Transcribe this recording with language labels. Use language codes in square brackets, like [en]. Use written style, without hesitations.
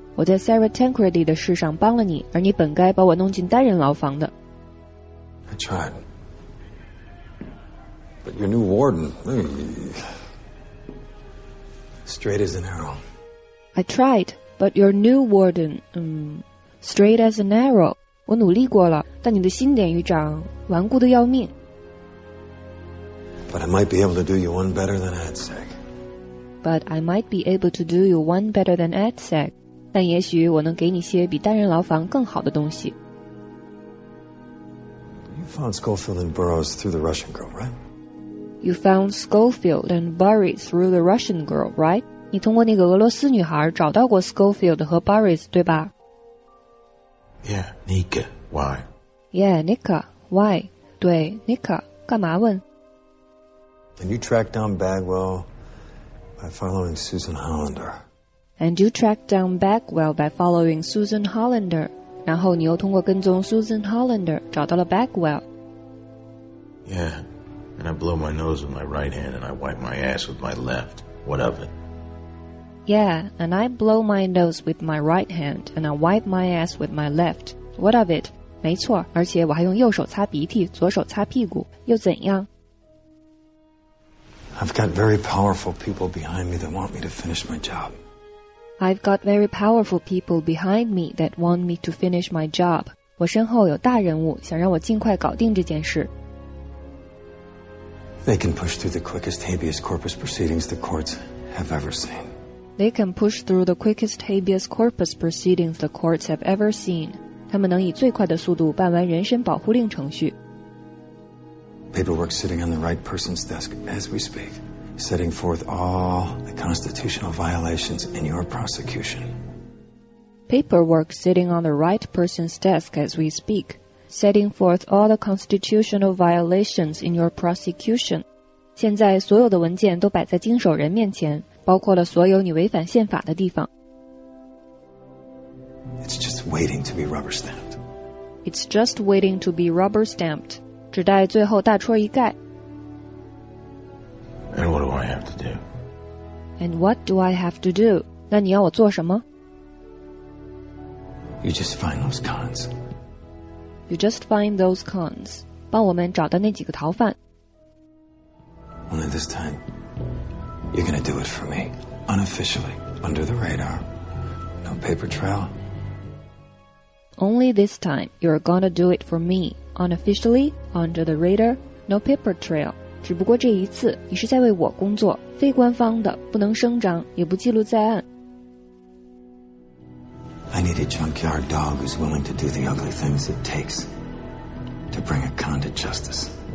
[zh] 我在 Sarah Tancredi 的事上帮了你，而你本该把我弄进单人牢房的。 [en] I tried, but your new warden. Straight as an arrow. I tried, but your new warden, straight as an arrow. [zh] 我努力过了，但你的新典狱长顽固的要命。 [en] But I might be able to do you one better than ADSEC. But I might be able to do you one better than ADSEC. [zh] 但也许我能给你些比单人牢房更好的东西。 [en] You found Schofield and Burroughs through the Russian girl, right? You found Schofield and Burroughs through the Russian girl, right? [zh] 你通过那个俄罗斯女孩找到过 Schofield 和 Burroughs, 对吧 [en] Yeah, Nika, why? Yeah, Nika, why? [zh] 对 Nika, 干嘛问 [en] And you tracked down Bagwell by following Susan Hollander. And you tracked down Bagwell by following Susan Hollander. [zh] 然后你又通过跟踪 Susan Hollander 找到了 Bagwell. [en] Yeah. And I blow my nose with my right hand and I wipe my ass with my left. What of it? Yeah, and I blow my nose with my right hand and I wipe my ass with my left. What of it? [zh] 没错，而且我还用右手擦鼻涕，左手擦屁股，又怎样？ [en] I've got very powerful people behind me that want me to finish my job. I've got very powerful people behind me that want me to finish my job. [zh] 我身后有大人物，想让我尽快搞定这件事。 [en] They can push through the quickest habeas corpus proceedings the courts have ever seen. They can push through the quickest habeas corpus proceedings the courts have ever seen. [zh] 他们能以最快的速度办完人身保护令程序。 [en] Paperwork sitting on the right person's desk as we speak, setting forth all the constitutional violations in your prosecution. paperwork sitting on the right person's desk as we speak, setting forth all the constitutional violations in your prosecution. [zh] 现在所有的文件都摆在经手人面前，包括了所有你违反宪法的地方。 [en] It's just waiting to be rubber stamped. It's just waiting to be rubber stamped. [zh] 只待最后大戳一盖。 [en] And what do I have to do? And what do I have to do? [zh] 那你要我做什么？ [en] You just find those cons. You just find those cons. [zh] 帮我们找到那几个逃犯。 [en] Only this time, you're gonna do it for me, unofficially, under the radar. No paper trail. Only this time, you're gonna do it for me, unofficially, under the radar. No paper trail. [zh] 只不过这一次，你是在为我工作，非官方的，不能声张，也不记录在案。 [en] I need a junkyard dog who's willing to do the ugly things it takes to bring a con to justice.